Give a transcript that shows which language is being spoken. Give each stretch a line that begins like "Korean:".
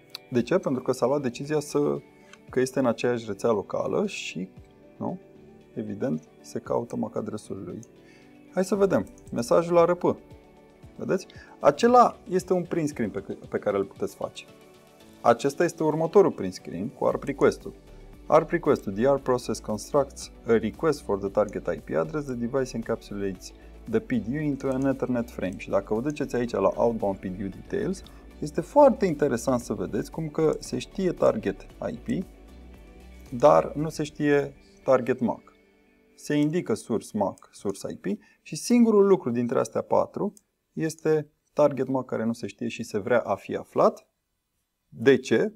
Romanian: De ce? Pentru că s-a luat decizia că este în aceeași rețea locală și, nu? Evident, se caută MAC adresul lui. Hai să vedem. Mesajul ARP. Vedeți? Acela este un print screen pe care îl puteți face. Acesta este următorul print screen cu ARP request-ul.
English: Our request to the R process constructs a request for the target IP address the device encapsulates the PDU into an Ethernet frame.
Romanian: Și dacă vă duceți aici la outbound PDU details, este foarte interesant să vedeți cum că se știe target IP, dar nu se știe target MAC. Se indică source MAC, source IP și singurul lucru dintre astea patru este target MAC care nu se știe și se vrea a fi aflat. De ce?